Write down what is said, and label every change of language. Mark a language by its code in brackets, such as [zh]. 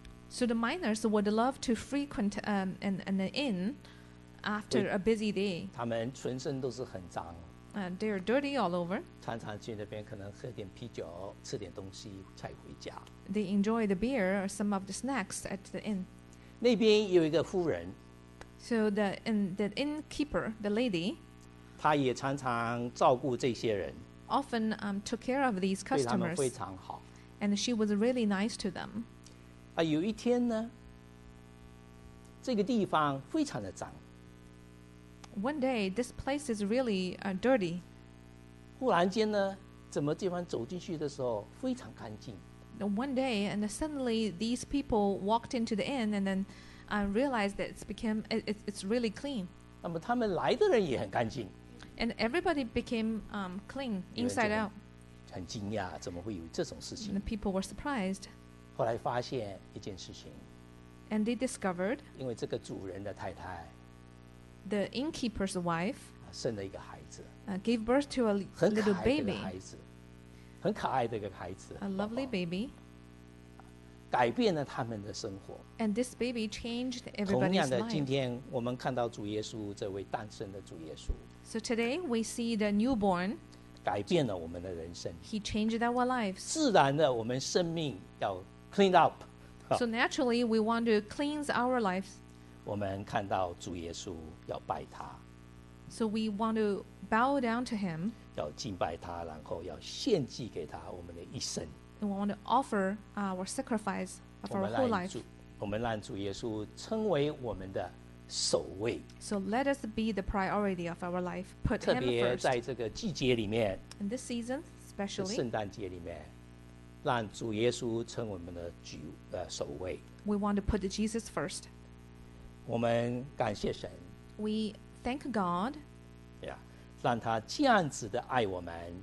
[en] So the miners would love to frequent an inn after a busy day。 [zh] 他们全身都是很脏。 [en] They're dirty all over. [zh] 常常去那边可能喝点啤酒，吃点东西才回家。 [en] They enjoy the beer or some of the snacks at the inn. [zh] 那边有一个夫人。 [en] So the innkeeper, the lady. [zh] 她也常常照顾这些人。 [en] Often took care of these customers. [zh] 对他们非常好。 [en] And she was really nice to them. [zh] 有一天呢，这个地方非常的脏。 [en] One day, this place is really dirty. [zh] 忽然间呢，怎么地方走进去的时候非常干净。 [en] One day, and suddenly these people walked into the inn, and then realized that it's really clean. [zh] 那么他们来的人也很干净。 [en] And everybody became clean inside out. [zh] 很惊讶，怎么会有这种事情？ [en] The people were surprised. [zh] 后来发现一件事情。 [en] And they discovered. [zh] 因为这个主人的太太。 [en] The innkeeper's wife [zh] 生了一个孩子 [en] gave birth to a little baby. [zh] 很可爱的一个孩子 [en] A lovely baby. [zh] 改变了他们的生活 [en] And this baby changed everybody's life. [zh] 同样的，今天我们看到主耶稣这位诞生的主耶稣 [en] So today we see the newborn. [zh] 改变了我们的人生 [en] He changed our lives. [zh] 自然的，我们生命要 [en] clean up. So naturally, we want to cleanse our lives. [zh] 我们看到主耶稣要拜他 [en] ，so we want to bow down to him， [zh] 要敬拜他，然后要献祭给他我们的一生。 [en] And we want to offer our sacrifice of our whole life。 [zh] 我们让主耶稣称为我们的首位。 [en] So let us be the priority of our life. Put him first。 [zh] 特别在这个季节里面 [en] ，in this season especially， [zh] 圣诞节里面，让主耶稣称我们的首位。 [en] We want to put Jesus first。 [zh] 我们感谢神 [en] We thank God [zh] yeah, 让他这样子的爱我们